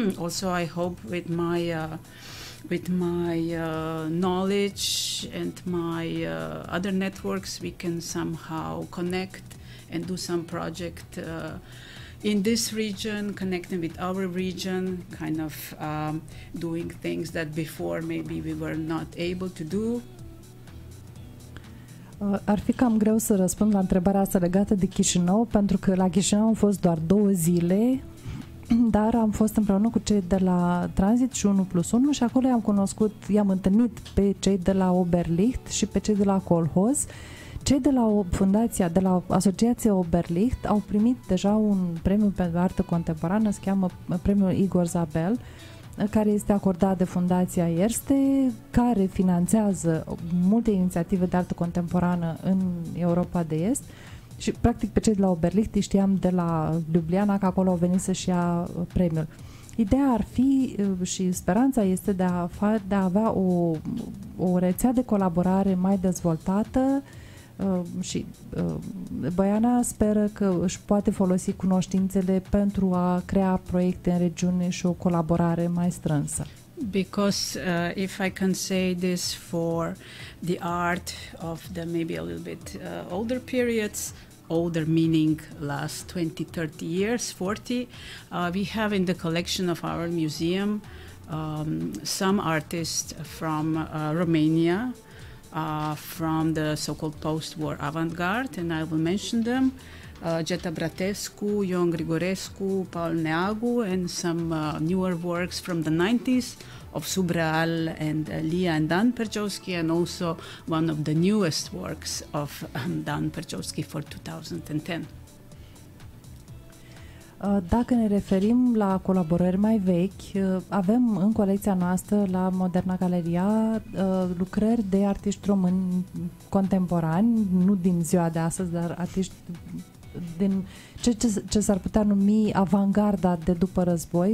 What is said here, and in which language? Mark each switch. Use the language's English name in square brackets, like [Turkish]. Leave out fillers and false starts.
[English] Also, I hope with my knowledge and my other networks, we can somehow connect and do some project in this region, connecting with our region, kind of doing things that before maybe we were not able to do. [Romanian] Ar fi cam greu să răspund la întrebarea asta legată de Chișinău, pentru că la Chișinău am fost doar 2 zile, dar am fost împreună cu cei de la Transit și 1+1 și acolo i-am întâlnit pe cei de la Oberlicht și pe cei de la Kolkhoz. Cei de la Asociația Oberlicht au primit deja un premiu pentru artă contemporană, se cheamă premiul Igor Zabel, care este acordat de Fundația Erste, care finanțează multe inițiative de artă contemporană în Europa de Est, și practic pe cei de la Oberlicht îi știam de la Ljubljana, că acolo au venit să-și ia premiul. Ideea ar fi și speranța este de a avea o rețea de colaborare mai dezvoltată. Și Băiana speră că își poate folosi cunoștințele pentru a crea proiecte în regiune și o colaborare mai strânsă. [English] Because if I can say this for the art of the maybe a little bit older periods, older meaning last 20, 30 years, 40, we have in the collection of our museum some artists from Romania, from the so-called post-war avant-garde, and I will mention them, Geta Bratescu, Ion Grigorescu, Paul Neagu, and some newer works from the 90s of Subreal and Lia and Dan Perchowski, and also one of the newest works of Dan Perchowski for 2010. [Romanian] Dacă ne referim la colaborări mai vechi, avem în colecția noastră la Moderna Galeria lucrări de artiști români contemporani, nu din ziua de astăzi, dar artiști din ce s-ar putea numi avangarda de după război.